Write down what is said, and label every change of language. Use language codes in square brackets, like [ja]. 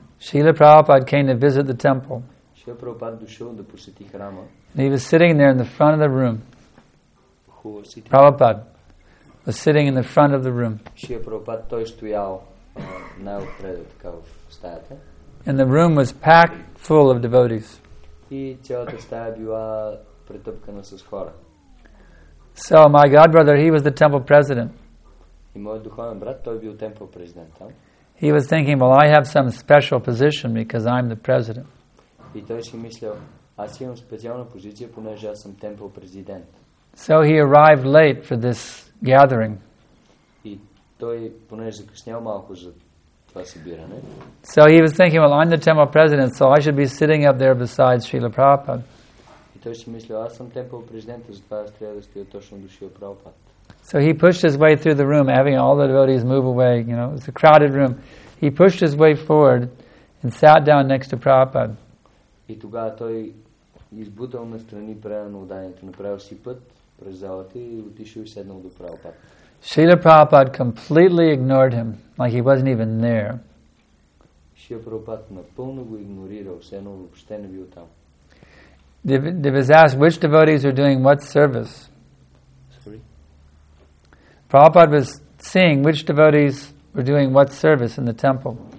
[en] Srila Prabhupada came to visit the temple. [bg] Srila Prabhupada дошъл да посети храма. [en] And he was sitting there in the front of the room. Prabhupada was sitting in the front of the room. [bg] Srila Prabhupada той стоял най-отпред така в стаята. [en] And the room was packed full of devotees. [bg] И цялата стая била претъпкана с хора. [en] So my god brother, he was the temple president. [bg] И моят духовен брат, той бил темпъл президент там. [en] He was thinking, well, I have some special position because I'm the president. [bg] И той си мислял, аз имам специална позиция, понеже аз съм темпъл президент. [en] So he arrived late for this gathering. [bg] И той понеже закъснял малко за събиране. [en] So he was thinking, well, I'm the temple president, so I should be sitting up there beside Srila Prabhupada. [bg] И той си мислил, аз съм темпъл президент, затова аз трябва да стоя точно до Шрила Прабхупада. [en] So he pushed his way through the room, having all the devotees move away, you know, it's a crowded room. He pushed his way forward and sat down next to Prabhupada. [bg] И тогава той избутал настрани правилно отдаването, направил си път през залата и отишъл и седнал до Прабхупада. [en] Srila Prabhupada completely ignored him, like he wasn't even there. [bg] Srila Prabhupada напълно го игнорирал, все едно въобще не бил там. [en] They was asked which devotees are doing what service. Sorry. Prabhupada was seeing which devotees were doing what service in the temple.